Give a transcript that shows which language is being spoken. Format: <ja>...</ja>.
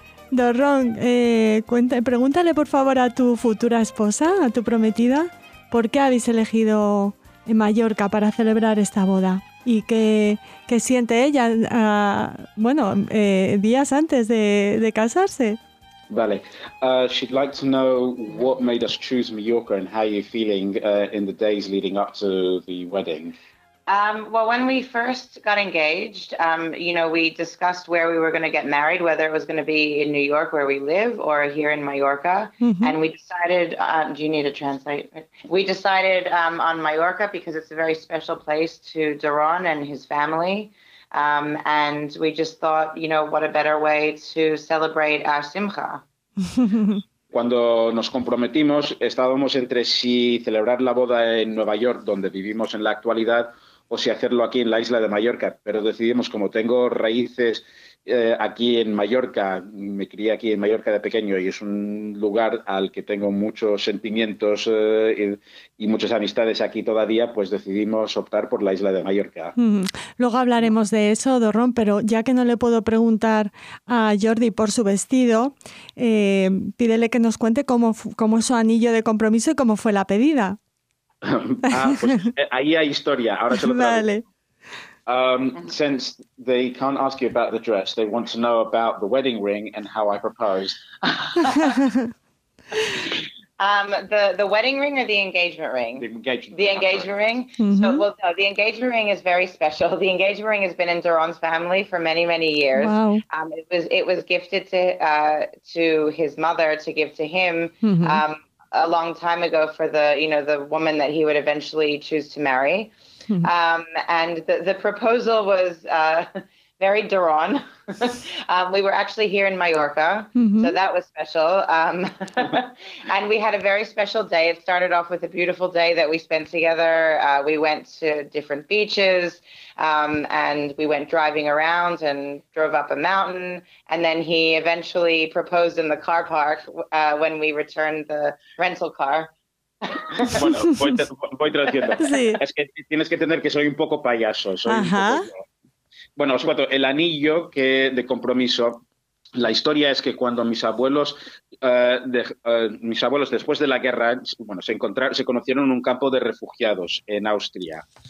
<es>Dorron, pregúntale por favor a tu futura esposa, a tu prometida, ¿por qué habéis elegido Mallorca para celebrar esta boda? ¿Y qué siente ella días antes de casarse? Vale.</es> <en>She'd like to know what made us choose Mallorca and how you're feeling in the days leading up to the wedding. When we first got engaged, we discussed where we were going to get married, whether it was going to be in New York where we live or here in Mallorca. Mm-hmm. And we decided, do you need to translate? We decided on Mallorca because it's a very special place to Dorron and his family. And we just thought, what a better way to celebrate our Simcha.</en> <es>Cuando nos comprometimos, estábamos entre si celebrar la boda en Nueva York, donde vivimos en la actualidad, o si hacerlo aquí en la isla de Mallorca. Pero decidimos, como tengo raíces aquí en Mallorca, me crié aquí en Mallorca de pequeño y es un lugar al que tengo muchos sentimientos y muchas amistades aquí todavía, pues decidimos optar por la isla de Mallorca. Luego hablaremos de eso, Dorron, pero ya que no le puedo preguntar a Jordi por su vestido, pídele que nos cuente cómo es su anillo de compromiso y cómo fue la pedida. Pues, ahí hay historia. Ahora se lo traigo. Vale.</es> <en>Since they can't ask you about the dress, they want to know about the wedding ring and how I proposed. the wedding ring or the engagement ring? The engagement ring. Mm-hmm. So the engagement ring is very special. The engagement ring has been in Dorron's family for many, many years. Wow. It was gifted to his mother to give to him. Mm-hmm. A long time ago for the woman that he would eventually choose to marry. Mm-hmm. And the proposal was very Dorron. We were actually here in Mallorca, mm-hmm. so that was special. and we had a very special day. It started off with a beautiful day that we spent together. We went to different beaches and we went driving around and drove up a mountain. And then he eventually proposed in the car park when we returned the rental car.</en> <es>Bueno, voy traduciendo. Sí. Es que tienes que entender que soy un poco payaso. Soy Ajá. Un poco... Bueno, os cuento, el anillo que de compromiso, la historia es que cuando mis abuelos después de la guerra, bueno, se conocieron en un campo de refugiados en Austria.</es>